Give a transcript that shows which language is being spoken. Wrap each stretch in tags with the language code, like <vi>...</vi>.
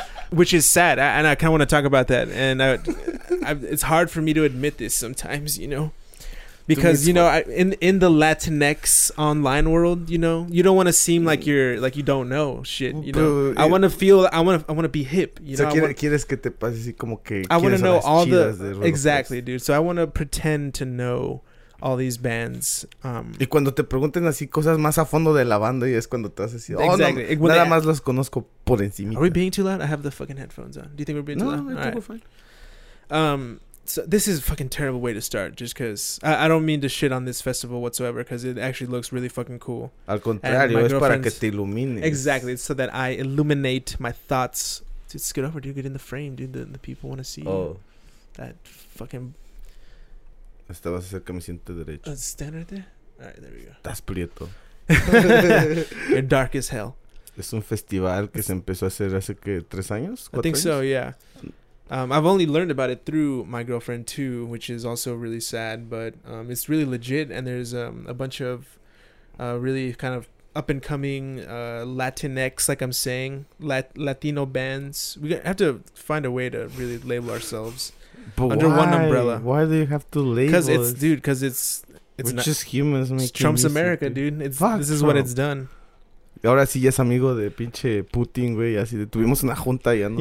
<en>Which is sad, and I kind of want to talk about that. And it's hard for me to admit this sometimes, you know, because, you know, in the Latinx online world, you know, you don't want to seem like you don't know shit, you know. I want to feel... I want to be hip, you know.</en> <es>¿Quieres que te pase así como que...</es> <en>I want to know all the... Exactly, dude. So I want to pretend to know all these bands.</en> <es>Y cuando te pregunten así cosas más a fondo de la banda, y es cuando te haces...</es> <en>Oh, exactly.</en> <es>No, nada más los conozco por encima.</es> <en>Are we being too loud? I have the fucking headphones on. Do you think we're being too loud? No, I think we're fine. So this is a fucking terrible way to start, just because... I don't mean to shit on this festival whatsoever, because it actually looks really fucking cool.</en> <es>Al contrario, es para que te ilumines.</es> <en>Exactly, it's so that I illuminate my thoughts. Dude, scoot over, dude. Get in the frame, dude. The people want to see that fucking...</en> <es>Esta vas a hacer que me siente derecho.</es> <en>Stand right there? Alright, there we go.</en> <es>Estás prieto.</es> <en>You're dark as hell.</en> <es>Es un festival que se empezó a hacer hace, ¿qué? ¿3 años?</es> <en>I think</en> <es>años?</es> <en>So, yeah. I've only learned about it through my girlfriend too, which is also really sad, but it's really legit, and there's a bunch of really kind of up and coming Latinx, like I'm saying, Latino bands. We have to find a way to really label ourselves but under one umbrella. Why do you have to label? Because it's dude. Because it's we're not, just humans. It's Trump's music, America, dude. It's fuck this is Trump. What it's done.</en> <es>Ahora sí ya es amigo de pinche Putin, güey. Así de, tuvimos una junta y ya nos,</es>